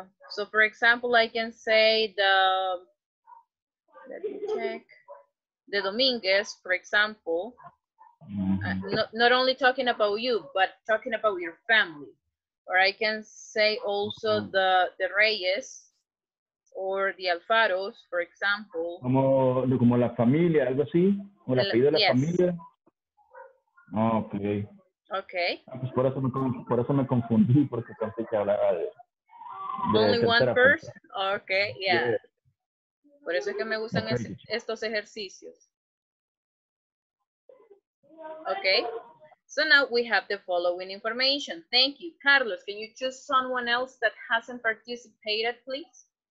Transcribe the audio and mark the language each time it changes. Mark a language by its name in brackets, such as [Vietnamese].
[English] So for example, I can say the Dominguez, for example, not only talking about you, but talking about your family, or I can say also the Reyes or the Alfaros, for example. [Spanish] Como la familia, algo así, o la apellido de la familia. [English] Okay. Okay. [Spanish] Pues por eso me confundí, porque pensé que hablaba de... [English] Only one person? Okay, yeah. [Spanish] Por eso es que me gustan estos ejercicios. [English] Okay, so now we have the following information. Thank you. Carlos, can you choose someone else that hasn't participated, please?